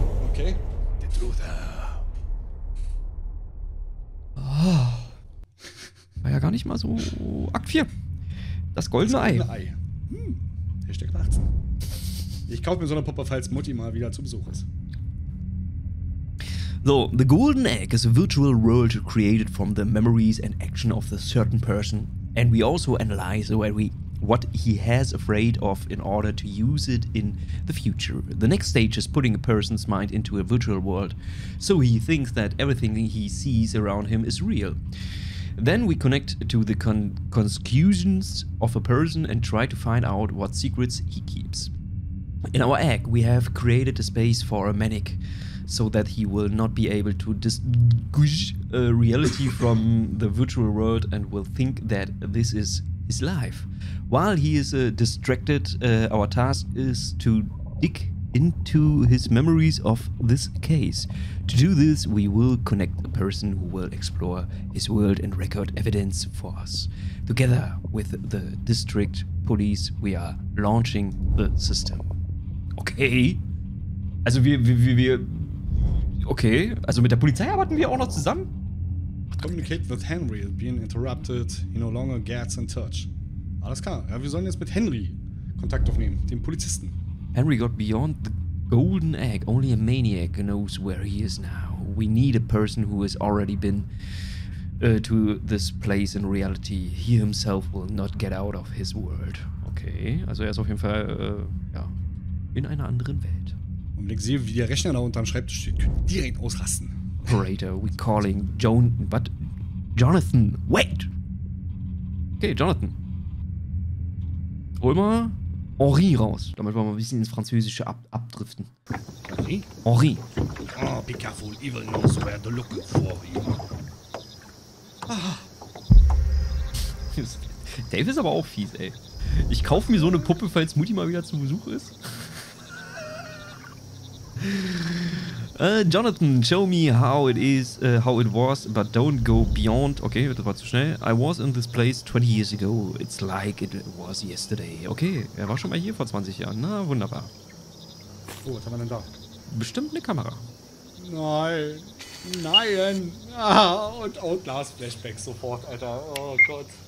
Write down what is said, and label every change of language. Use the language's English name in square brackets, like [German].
[English] Okay. The truth. [German] Oh. War ja gar nicht mal so. Akt 4. Das goldene Ei. Hashtag 18. Ich kaufe mir so eine Puppe, falls Mutti mal wieder zu Besuch ist. [English] So, the golden egg is a virtual world created from the memories and action of a certain person. And we also analyze what he has afraid of in order to use it in the future. The next stage is putting a person's mind into a virtual world, so he thinks that everything he sees around him is real. Then we connect to the conclusions of a person and try to find out what secrets he keeps. In our egg, we have created a space for a manic, so that he will not be able to distinguish reality from the virtual world and will think that this is his life. While he is distracted, our task is to dig into his memories of this case. To do this, we will connect a person who will explore his world and record evidence for us. Together with the district police, we are launching the system. Okay. [German] Also wir okay, also mit der Polizei arbeiten wir auch noch zusammen? [English] Communicate with Henry, being interrupted, he no longer gets in touch. [German] Alles klar, ja, wir sollen jetzt mit Henry Kontakt aufnehmen, dem Polizisten. [English] Henry got beyond the golden egg. Only a maniac knows where he is now. We need a person who has already been to this place in reality. He himself will not get out of his world. [German] Okay, also er ist auf jeden Fall ja, in einer anderen Welt. Und wenn ich sehe, wie der Rechner da unterm Schreibtisch steht, könnte ich direkt ausrasten. [English] Operator, we calling Joan, but Jonathan, wait! Okay, Jonathan. [German] Hol mal Henri raus, damit wir mal ein bisschen ins Französische abdriften. Henri? Henri. [English] Oh, be careful, evil knows where to look for you. [German] Dave ist aber auch fies, ey. Ich kaufe mir so eine Puppe, falls Mutti mal wieder zu Besuch ist. [English] Jonathan, show me how it is, how it was, but don't go beyond. [German] Okay, das war zu schnell. [English] I was in this place 20 years ago. It's like it was yesterday. [German] Okay, er war schon mal hier vor 20 Jahren. Na, wunderbar. Oh, was haben wir denn da? Bestimmt eine Kamera. Nein. Ah, und Outlast-Flashback sofort, Alter. Oh Gott.